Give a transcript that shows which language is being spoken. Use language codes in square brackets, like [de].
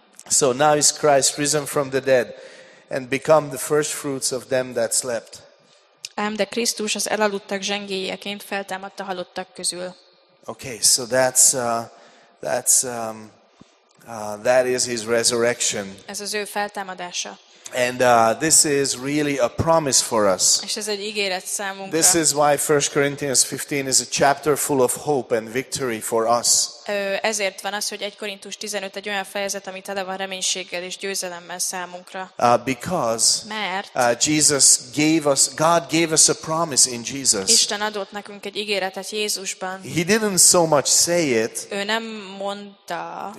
[en] So now is Christ risen from the dead and become the first fruits of them that slept. [hu] Ám de Krisztus az elaludtak zsengéjeként feltámadt a halottak közül. [en] Okay, so that is his resurrection. [hu] Ez az ő feltámadása. [en] And this is really a promise for us. [hu] És ez egy ígéret számunkra. [en] This is why 1 Corinthians 15 is a chapter full of hope and victory for us. [hu] Ezért van az, hogy 1 Korintus 15 egy olyan fejezet, ami tele van reménységgel és győzelemmel számunkra. [en] Because [hu] mert [en] Jesus gave us, God gave us a promise in Jesus. [hu] Isten adott nekünk egy ígéretet Jézusban. [en] He didn't so much say it. [hu] Ő nem mondta.